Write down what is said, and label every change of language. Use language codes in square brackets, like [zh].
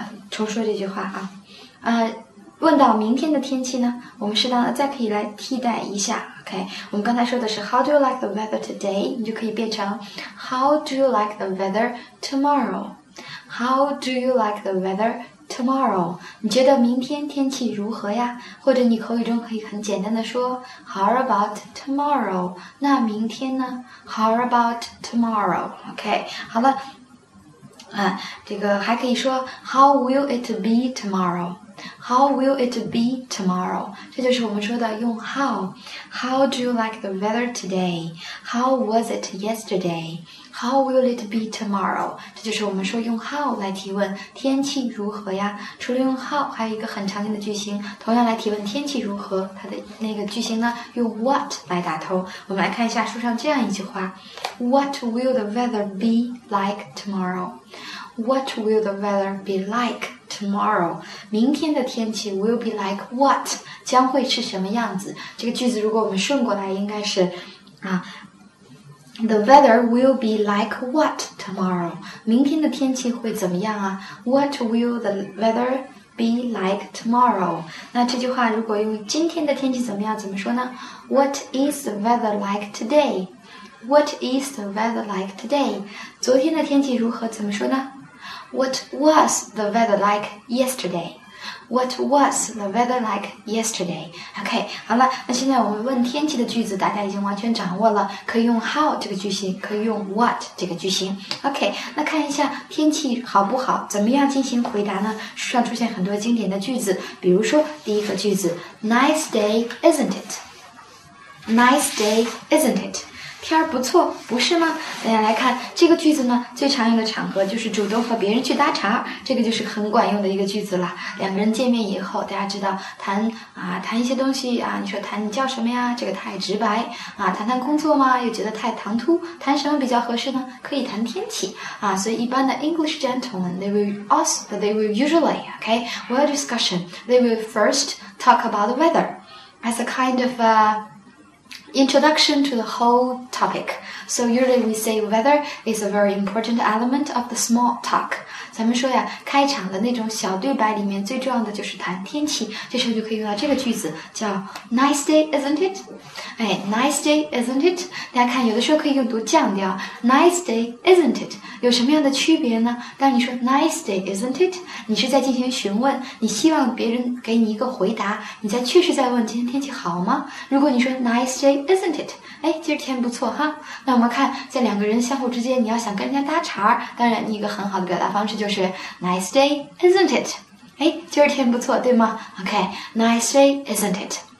[zh] 重说这句话啊，问到明天的天气呢，我们适当的再可以来替代一下。 [en] OK, [zh] 我们刚才说的是 [en] How do you like the weather today? [zh] 你就可以变成 [en] How do you like the weather tomorrow? How do you like the weather tomorrow? [zh] 你觉得明天天气如何呀？或者你口语中可以很简单的说 [en] How about tomorrow? [zh] 那明天呢？ [en] How about tomorrow? OK, [zh] 好了，这个还可以说 [en] How will it be tomorrow? How will it be tomorrow? [zh] 这就是我们说的用 how. [en] How do you like the weather today? How was it yesterday? How will it be tomorrow? [zh] 这就是我们说用 how 来提问天气如何呀。除了用 how, 还有一个很常见的句型同样来提问天气如何，它的那个句型呢用 what 来打头。我们来看一下书上这样一句话。 [en] What will the weather be like tomorrow? What will the weather be like? Tomorrow, [zh] 明天的天气 [en] will be like what? [zh] 将会是什么样子？这个句子如果我们顺过来，应该是 [en] The weather will be like what tomorrow? [zh] 明天的天气会怎么样啊？ [en] What will the weather be like tomorrow? [zh] 那这句话如果用今天的天气怎么样怎么说呢？ [en] What is the weather like today? What is the weather like today? [zh] 昨天的天气如何怎么说呢？ [en] What was the weather like yesterday? What was the weather like yesterday? [zh] OK, 好了，那现在我们问天气的句子大家已经完全掌握了，可以用 how 这个句型，可以用 what 这个句型。 OK, 那看一下天气好不好，怎么样进行回答呢？书上出现很多经典的句子，比如说第一个句子 [en] Nice day, isn't it? Nice day, isn't it? [zh] 天儿不错，不是吗？大家来看这个句子呢，最常用的场合就是主动和别人去搭茬，这个就是很管用的一个句子了。两个人见面以后，大家知道谈一些东西啊，你说谈你叫什么呀？这个太直白啊，谈谈工作嘛，又觉得太唐突，谈什么比较合适呢？可以谈天气啊。 [en] 所以一般的 English gentlemen they will usually well discussion they will first talk about the weather as a kind of a Introduction to the whole topic. So usually we say weather is a very important element of the small talk. [zh] 咱们说呀，开场的那种小对白里面最重要的就是谈天气，这时候就可以用到这个句子，叫 [en] Nice day, isn't it? 哎 ，Nice day, isn't it? [zh] 大家看，有的时候可以用读降调 [en] ，Nice day, isn't it? [zh] 有什么样的区别呢？ [en] 当你说 Nice day, isn't it? [zh] 你是在进行询问，你希望别人给你一个回答，你在确实在问今天天气好吗？ [en] 如果你说 Nice day, isn't it? [zh] 哎，今天不错哈。那我们看，在两个人相互之间，你要想跟人家搭茬，当然你一个很好的表达方式就是 [en] Nice day, isn't it? [zh] 哎，今天不错，对吗 [en] ？OK, Nice day, isn't it?